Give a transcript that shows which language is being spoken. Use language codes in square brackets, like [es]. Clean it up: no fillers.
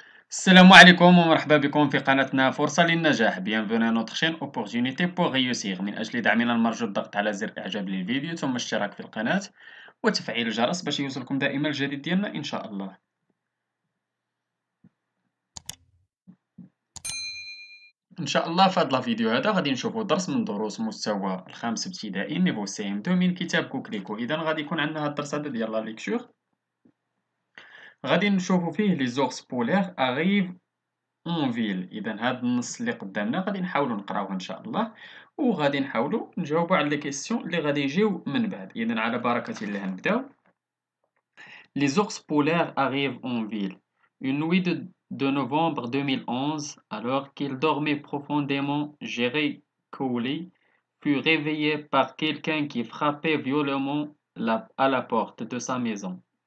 [ar] السلام عليكم ومرحبا بكم في قناتنا فرصة للنجاح. [fr] Bienvenue à notre chaîne Opportunité pour réussir. [ar] من أجل دعمنا المرجو الضغط على زر إعجاب للفيديو ثم الاشتراك في القناة وتفعيل الجرس باش يوصلكم دائما الجديد ديالنا إن شاء الله. إن شاء الله في هذا الفيديو هذا غادي نشوفوا درس من دروس مستوى الخامس ابتدائي نيفو سيم دو من كتاب كوكليكو. إذا غادي يكون عندنا هذا الدرس هذا ديال لا ليكشور. غادي نشوفوا فيه [fr] لي زورس بولير اريف اون فيل. [ar] اذا هذا النص اللي قدامنا غادي نحاولوا نقراوه ان شاء الله وغادي نحاولوا نجاوبوا على لي كيسيون اللي غادي يجيو من بعد. اذا على بركه الله نبداو. [fr] لي زورس بولير اريف اون فيل une nuit de novembre 2011 alors qu'il dormait profondément Jerry Cooley fut réveillé par quelqu'un qui frappait violemment à la porte de sa maison.